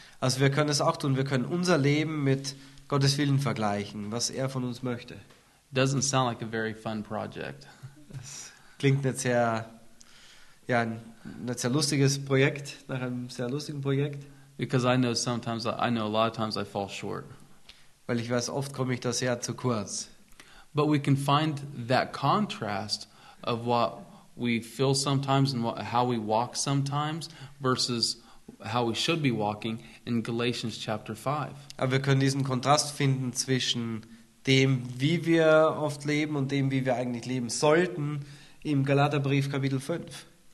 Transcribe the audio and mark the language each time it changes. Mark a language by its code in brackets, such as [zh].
[de] Also wir können es auch tun. Wir können unser Leben mit Gottes Willen vergleichen, was er von uns möchte. [en] Doesn't sound like a very fun project. [de] Das klingt nicht sehr, ja, ein sehr lustiges Projekt, nach einem sehr lustigen Projekt. [en] Because I know a lot of times I fall short. [de] Weil ich weiß, oft komme ich da sehr zu kurz. [en] But we can find that contrast of what we feel sometimes and how we walk sometimes versus how we should be walking in Galatians chapter 5. [de] Aber wir können diesen Kontrast finden zwischen dem, wie wir oft leben und dem, wie wir eigentlich leben sollten, im Galaterbrief Kapitel 5.